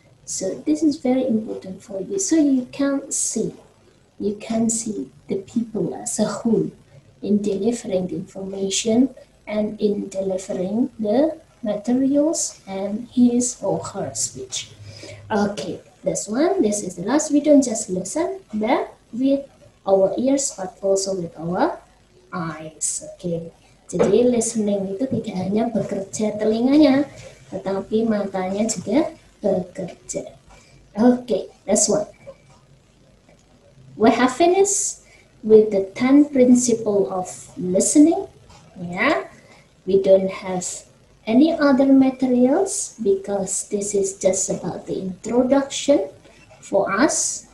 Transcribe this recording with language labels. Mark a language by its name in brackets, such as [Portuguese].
[English] So this is very important for you. So you can see the people as a whole in delivering the information and in delivering the materials and his or her speech. Okay, this one, this is the last. We don't just listen there with our ears, but also with our eyes, okay. [Indonesian] Jadi listening itu tidak hanya bekerja telinganya, tetapi matanya juga bekerja. [English] Okay, that's one. We have finished with the 10 principle of listening. Yeah, we don't have any other materials because this is just about the introduction for us.